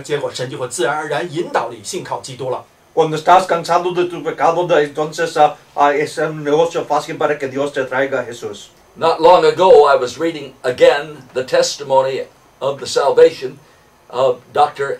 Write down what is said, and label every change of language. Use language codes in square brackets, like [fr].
[zh] 当你厌倦了自己的罪恶的时候，当你厌倦了那种挣扎之下的时候，结果神就会自然而然引导你信靠基督了。 [es] Cuando estás cansado de tu pecado, entonces es un negocio fácil para que Dios te traiga a Jesús. [en] Not long ago, I was reading again the testimony of the salvation of Dr.